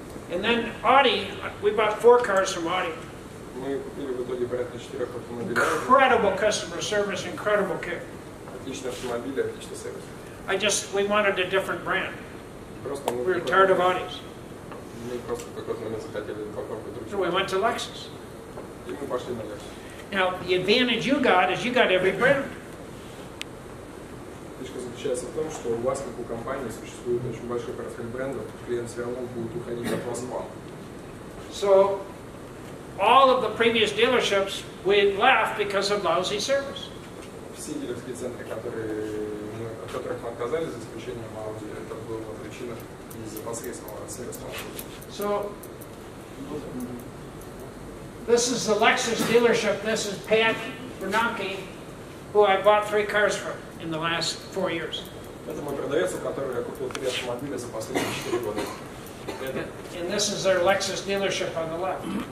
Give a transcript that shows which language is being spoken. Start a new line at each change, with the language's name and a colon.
English: And then Audi, we bought four cars from Audi.
Russian: Мы купили в итоге порядка четырех автомобилей.
English: Incredible customer service, incredible care.
Russian: Отличный автомобиль, отличный сервис.
English: I just, we wanted a different brand.
Russian: Просто мы
English: were tired of Audis.
Russian: Мы просто в какой-то момент захотели попробовать другие.
English: So we went to Lexus.
Russian: И мы пошли на Lexus.
English: Now, the advantage you got is you got every brand.
Russian: Фишка заключается в том, что у вас, как у компании, существует очень большой портфель брендов, клиент все равно будет уходить от вас в банк.
English: So, all of the previous dealerships we left because of lousy service.
Russian: Все дилерские центры, от которых мы отказались, за исключением Audi, это была причина из-за посредственного сервиса.
English: So, this is the Lexus dealership. This is Pat Bernanke, who I bought three cars from in the last four years.
Russian: Это мой продавец, у которого я купил три автомобиля за последние 4 года.
English: And this is their Lexus dealership on the left.